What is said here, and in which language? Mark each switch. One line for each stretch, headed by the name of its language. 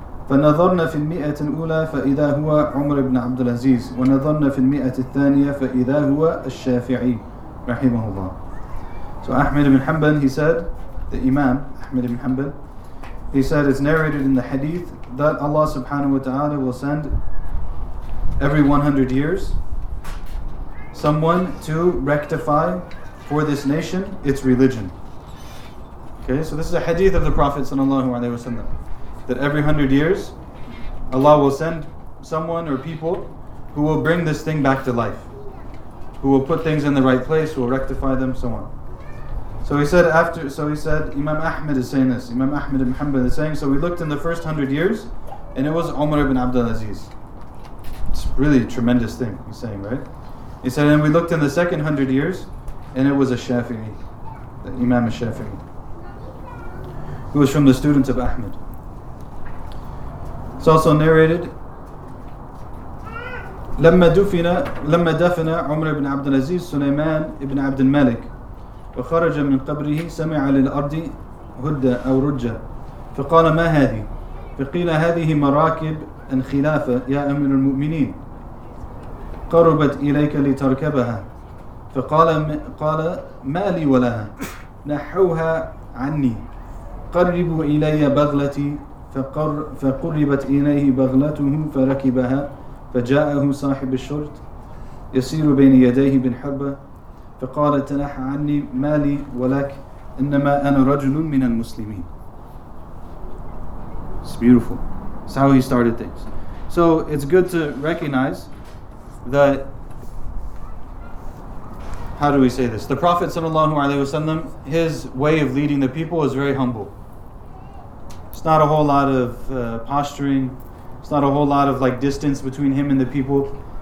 Arabic: فنظرنا في المئة الأولى فإذا هو عمر بن عبد العزيز ونظرنا في المئة الثانية فإذا هو الشافعي رحمه الله.
English: So Ahmed ibn Hanbal, he said, the Imam Ahmed ibn Hanbal, he said, it's narrated in the hadith that Allah subhanahu wa ta'ala will send every 100 years someone to rectify for this nation its religion. Okay, so this is a hadith of the Prophet sallallahu alayhi wa sallam, that every 100 years, Allah will send someone or people who will bring this thing back to life, who will put things in the right place, who will rectify them, so on. So he said, Imam Ahmed is saying this, Imam Ahmed ibn Hanbal is saying, so we looked in the first 100 years, and it was Umar ibn Abd al-Aziz. It's really a tremendous thing, he's saying, right? He said, and we looked in the second 100 years, and it was a Shafi'i, the Imam al-Shafi'i, who was from the students of Ahmed.
Arabic: It's also narrated, لما دفن عمر بن عبد العزيز سليمان بن عبد الملك وخرج من قبره سمع للأرض هدى أو رجة فقال ما هذه فقيل هذه مراكب الخلافة يا أمير المؤمنين قربت إليك لتركبها فقال ما لي ولها نحوها عني قربوا إلي بغلتي فقربت إليه بغلته فركبها فجاءه صاحب الشرط يسير بين يديه بالحربة فقال تنح عني مالي ولك إنما أنا رجل من المسلمين.
English: It's beautiful. It's how he started things. So it's good to recognize that, how do we say this? The Prophet ﷺ, his way of leading the people is very humble. It's not a whole lot of posturing. It's not a whole lot of like distance between him and the people.